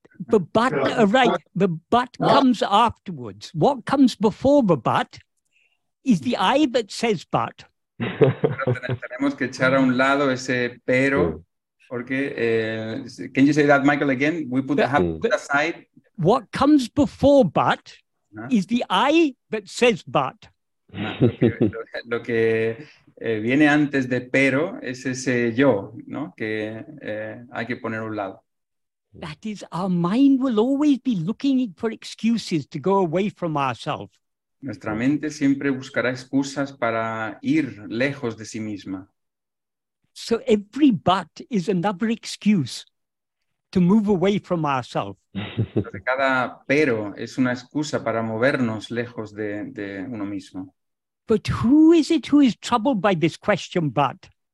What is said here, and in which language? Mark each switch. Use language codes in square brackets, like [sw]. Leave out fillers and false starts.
[en] Because the but comes afterwards. What comes before the but is the I that says but. [es] Tenemos que echar a un lado ese pero. Porque, [en] can you say that, Michael, again? We have put aside. What comes before but is the I that says but. [es] Lo que viene antes de pero es ese yo, ¿no? Que hay que poner a un lado. [en] That is, our mind will always be looking for excuses to go away from ourselves. [es] Nuestra mente siempre buscará excusas para ir lejos de sí misma. [en] So every but is another excuse to move away from ourselves. [es] Cada pero es una excusa para movernos lejos de uno mismo. [en] But who is it who is troubled by this question but?